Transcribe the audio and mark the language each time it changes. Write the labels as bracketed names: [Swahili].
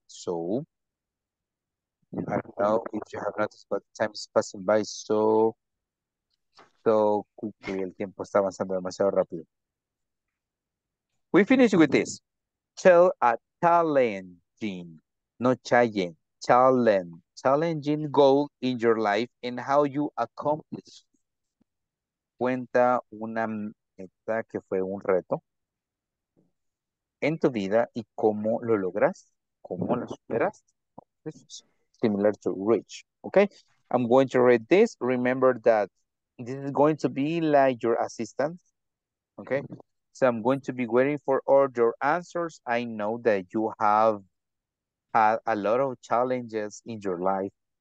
[English] So I don't know if you have noticed, but time is passing by so quickly. [Spanish] El tiempo está avanzando demasiado rápido. [English] We finish with this. Tell a challenging, not challenging, challenging goal in your life and how you accomplish. [Spanish] Cuenta una meta que fue un reto en tu vida y cómo lo logras, cómo lo superas. [English] Similar to reach. Okay, I'm going to read this. Remember that this is going to be like your assistant. Okay, so I'm going to be waiting for all your answers. I know that you have had a lot of challenges in your life.